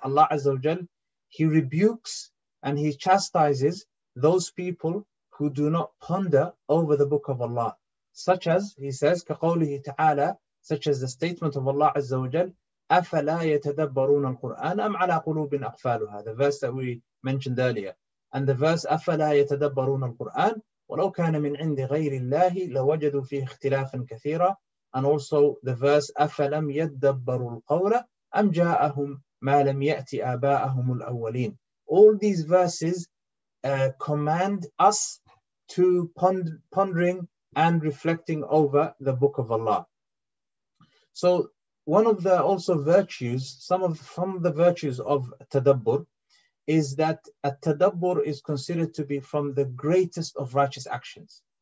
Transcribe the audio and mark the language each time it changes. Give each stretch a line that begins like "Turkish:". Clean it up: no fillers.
English: Allah Azza wa Jal, he rebukes and he chastises those people who do not ponder over the book of Allah. Such as, he says,
Arabic: كَقَوْلِهِ تَعَالَى,
English: such as the statement of Allah Azza wa Jal,
Arabic: أَفَلَا يَتَدَبَّرُونَ الْقُرْآنَ أَمْ عَلَى قُلُوبٍ أَقْفَالُهَا.
English: The verse that we mentioned earlier. And the verse,
Arabic: أَفَلَا يَتَدَبَّرُونَ الْقُرْآنَ وَلَوْ كَانَ مِنْ عِنْدِ غَيْرِ اللَّهِ لَوَجَدُوا فِيهِ اخْتِلَافًا كَثِيرًا.
English: And also the verse,
Arabic: أَفَلَمْ يَدَّبَّرُوا الْقَوْلَ أَمْ جَاءَهُمْ مَا لَمْ يَأْتِ آبَاءَهُمُ الْأَوَّلِينَ.
English: All these verses command us to pondering and reflecting over the book of Allah. So one of the also virtues, some of the virtues of tadabbur, is that a tadabbur is considered to be from the greatest of righteous actions.